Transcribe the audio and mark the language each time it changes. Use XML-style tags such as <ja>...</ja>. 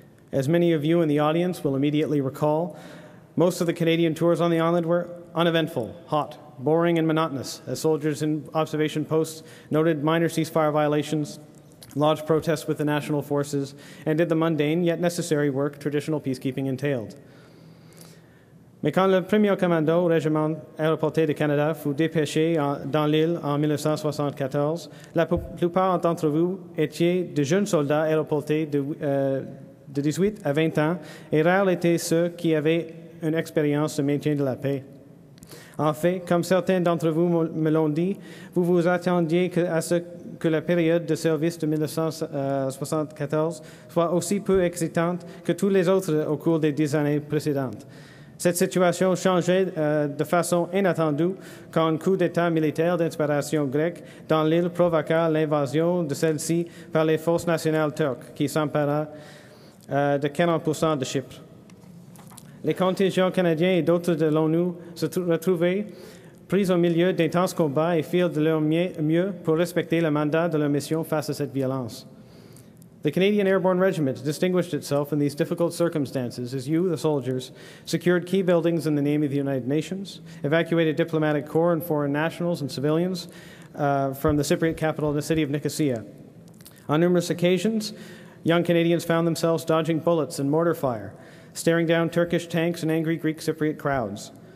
<en>As many of you in the audience will immediately recall, most of the Canadian tours on the island were uneventful, hot, boring, and monotonous, as soldiers in observation posts noted minor ceasefire violations, lodged protests with the national forces, and did the mundane yet necessary work traditional peacekeeping entailed.</en> <fr>Mais quand le premier commando au régiment aéroporté de Canada fut dépêché dans l'île en 1974, la plupart d'entre vous étiez de jeunes soldats aéroportés de 18 à 20 ans, et rares étaient ceux qui avaient une expérience de maintien de la paix. En fait, comme certains d'entre vous me l'ont dit, vous vous attendiez à ce que la période de service de 1974 soit aussi peu excitante que toutes les autres au cours des 10 années précédentes. Cette situation changeait de façon inattendue quand un coup d'État militaire d'inspiration grecque dans l'île provoqua l'invasion de celle-ci par les forces nationales turques qui s'empara de 40% de Chypre. Les contingents canadiens et d'autres de l'ONU se retrouvaient pris au milieu d'intenses combats et firent de leur mieux pour respecter le mandat de leur mission face à cette violence.</fr> <en>The Canadian Airborne Regiment distinguished itself in these difficult circumstances as you, the soldiers, secured key buildings in the name of the United Nations, evacuated diplomatic corps and foreign nationals and civilians from the Cypriot capital, the city of Nicosia. On numerous occasions, young Canadians found themselves dodging bullets and mortar fire, staring down Turkish tanks and angry Greek Cypriot crowds.</en>